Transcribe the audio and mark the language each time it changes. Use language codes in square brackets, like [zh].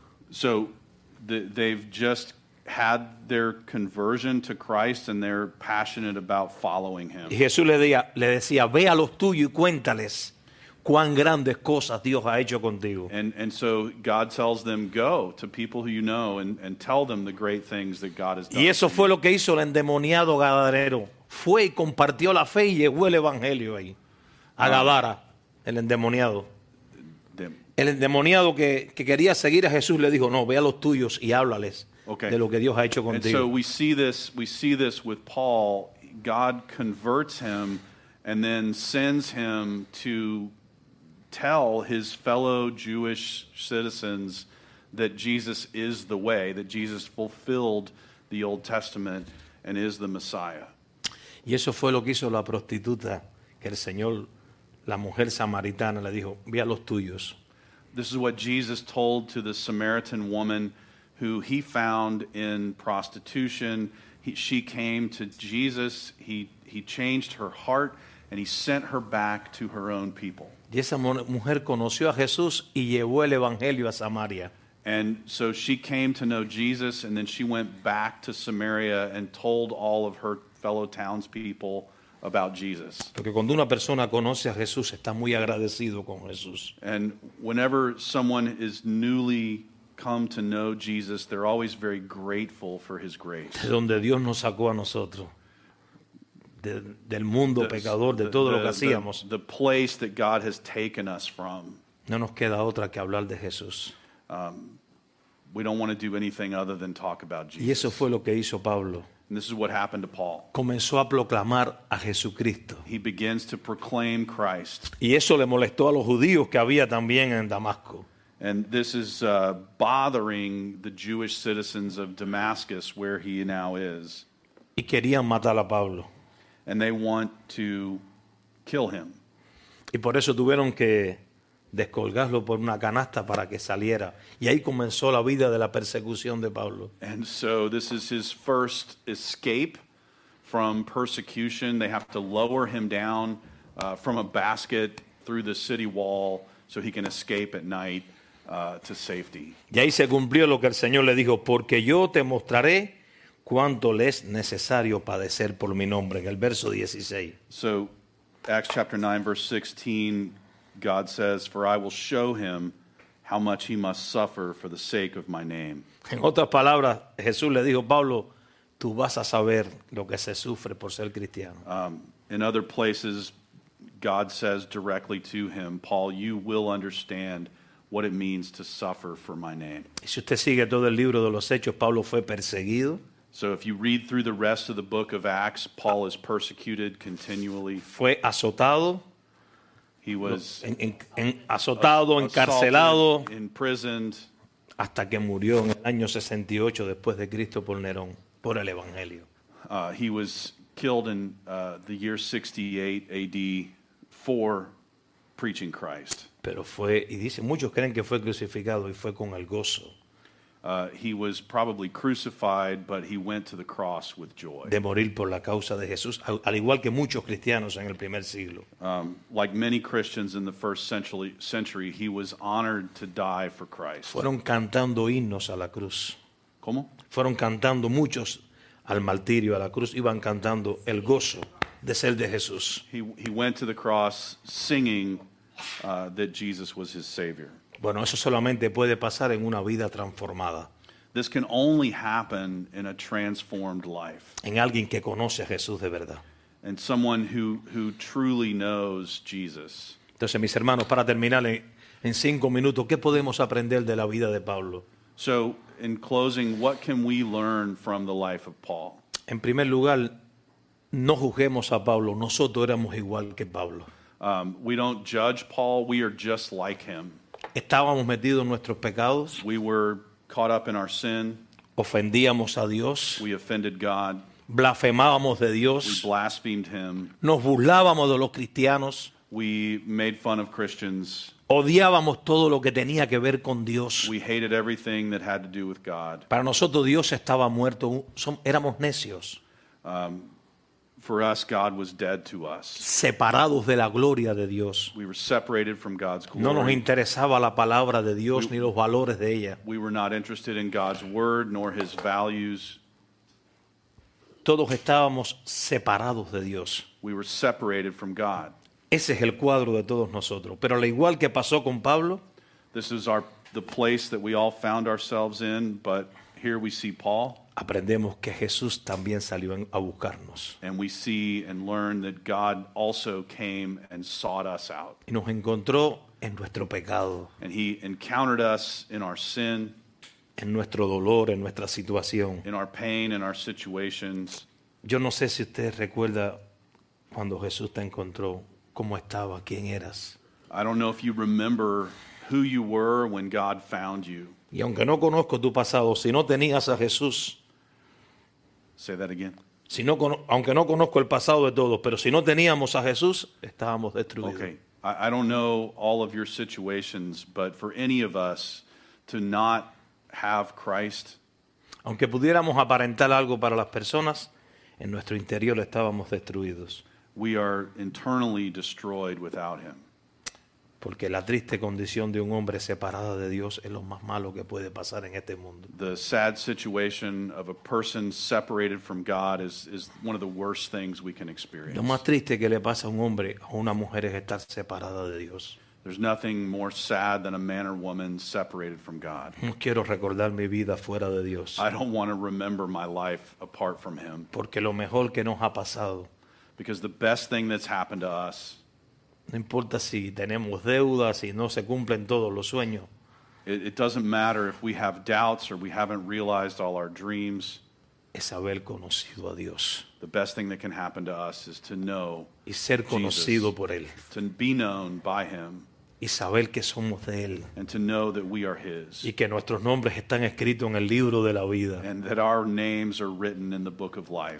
[en] So they've just had their conversion to Christ and they're passionate about following him. [es] Y Jesús le decía, ve a los tuyos y cuéntales cuán grandes cosas Dios ha hecho contigo. [en] And so God tells them, go to people who you know and tell them the great things that God has done. [es] Y eso fue lo que hizo el endemoniado gadareno. Fue y compartió la fe y llevó el evangelio ahí. A Gadara, el endemoniado. El endemoniado que quería seguir a Jesús le dijo, no, ve a los tuyos y háblales. [en] Okay. [es] De lo que Dios ha hecho contigo. [en] And so we see this with Paul. God converts him and then sends him to tell his fellow Jewish citizens that Jesus is the way, that Jesus fulfilled the Old Testament and is the Messiah. [es] Y eso fue lo que hizo la prostituta, que el Señor, la mujer samaritana, le dijo, ve a los tuyos. [en] This is what Jesus told to the Samaritan woman who he found in prostitution. She came to Jesus, he changed her heart, and he sent her back to her own people. [es] Y esa mujer conoció a Jesús y llevó el evangelio a Samaria. [en] And so she came to know Jesus, and then she went back to Samaria and told all of her fellow townspeople about Jesus. [es] Porque cuando una persona conoce a Jesús, está muy agradecido con Jesús. [en] And whenever someone is newly come to know Jesus, they're always very grateful for his grace. [es] De donde Dios nos sacó a nosotros. Del mundo pecador, de todo lo que hacíamos. [en] The place that God has taken us from. [es] No nos queda otra que hablar de Jesús. [en] We don't want to do anything other than talk about Jesus. [es] Y eso fue lo que hizo Pablo. [en] And this is what happened to Paul. [es] Comenzó a proclamar a Jesucristo. [en] He begins to proclaim Christ. [es] Y eso le molestó a los judíos que había también en Damasco. [en] And this is bothering the Jewish citizens of Damascus, where he now is. [es] Y querían matar a Pablo. [en] And they want to kill him. [es] Y por eso tuvieron que descolgarlo por una canasta para que saliera. Y ahí comenzó la vida de la persecución de Pablo. [en] And so this is his first escape from persecution. They have to lower him down from a basket through the city wall so he can escape at night to safety. [es] Y ahí se cumplió lo que el Señor le dijo, porque yo te mostraré cuánto le es necesario padecer por mi nombre. En el verso 16. [en] So, Acts chapter 9, verse 16, God says, for I will show him how much he must suffer for the sake of my name. [es] En otras palabras, Jesús le dijo, Pablo, tú vas a saber lo que se sufre por ser cristiano. [en] In other places, God says directly to him, Paul, you will understand what it means to suffer for my name. [es] Si usted sigue todo el libro de los Hechos, Pablo fue perseguido. [en] So if you read through the rest of the book of Acts, Paul is persecuted continually. [es] Fue azotado. [en] He was [es] azotado, encarcelado, [en] imprisoned, [es] hasta que murió en el año 68 después de Cristo por Nerón, por el Evangelio. [en] He was killed in the year 68 AD for preaching Christ. [es] Pero fue, y dice, muchos creen que fue crucificado y fue con el gozo. [en] He was probably crucified, but he went to the cross with joy. [es] De morir por la causa de Jesús, al igual que muchos cristianos en el primer siglo. [en] Like many Christians in the first century, he was honored to die for Christ. [es] Fueron cantando himnos a la cruz. ¿Cómo? Fueron cantando muchos al martirio, a la cruz, iban cantando el gozo de ser de Jesús. [en] He went to the cross singing that Jesus was his Savior. [es] Bueno, eso solamente puede pasar en una vida transformada. [en] This can only happen in a transformed life. [es] En alguien que conoce a Jesús de verdad. [en] And someone who truly knows Jesus. [es] Entonces, mis hermanos, para terminar en cinco minutos, ¿qué podemos aprender de la vida de Pablo? [en] So, in closing, what can we learn from the life of Paul? [es] En primer lugar, no juzguemos a Pablo. Nosotros éramos igual que Pablo. [en] We don't judge Paul. We are just like him. [es] Estábamos metidos en nuestros pecados. [en] We were caught up in our sin. [es] Ofendíamos a Dios. [en] We offended God. [es] Blasfemábamos de Dios. [en] We blasphemed him. [es] Nos burlábamos de los cristianos. [en] We made fun of Christians. [es] Odiábamos todo lo que tenía que ver con Dios. [en] We hated everything that had to do with God. [es] Para nosotros Dios estaba muerto. Éramos necios. [en] For us, God was dead to us. [es] Separados de la gloria de Dios. [en] We were separated from God's glory. [es] No nos interesaba la palabra de Dios ni los valores de ella. [en] We were not interested in God's word nor his values. [es] Todos estábamos separados de Dios. [en] We were separated from God. [es] Ese es el cuadro de todos nosotros. Pero al igual que pasó con Pablo, [en] this is the place that we all found ourselves in, but here we see Paul. [es] Aprendemos que Jesús también salió a buscarnos. [en] And we see and learn that God also came and sought us out. [es] Y nos encontró en nuestro pecado. [en] And he encountered us in our sin. [es] En nuestro dolor, en nuestra situación. [en] In our pain, in our situations. [es] Yo no sé si usted recuerda cuando Jesús te encontró, cómo estaba, quién eras. [en] I don't know if you remember who you were when God found you. [es] Y aunque no conozco tu pasado, si no tenías a Jesús. [en] Say that again. [es] Si no, aunque no conozco el pasado de todos, pero si no teníamos a Jesús, estábamos destruidos. [en] Okay. I don't know all of your situations, but for any of us to not have Christ. [es] Aunque pudiéramos aparentar algo para las personas, en nuestro interior estábamos destruidos. [en] We are internally destroyed without him. [es] Porque la triste condición de un hombre separado de Dios es lo más malo que puede pasar en este mundo. [en] The sad situation of a person separated from God is one of the worst things we can experience. [es] Lo más triste que le pasa a un hombre o una mujer es estar separada de Dios. [en] There's nothing more sad than a man or woman separated from God. [es] No quiero recordar mi vida fuera de Dios. [en] I don't want to remember my life apart from him. [es] Porque lo mejor que nos ha pasado. [en] Because the best thing that's happened to us. [es] No importa si tenemos deudas y no se cumplen todos los sueños. [en] It doesn't matter if we have doubts or we haven't realized all our dreams. [es] Es haber conocido a Dios. [en] The best thing that can happen to us is to know [es] y ser conocido [en] Jesus, [es] por él. [en] To be known by him. [es] Y saber que somos de él. [en] And to know that we are his. [es] Y que nuestros nombres están escritos en el libro de la vida. [en] And that our names are written in the book of life.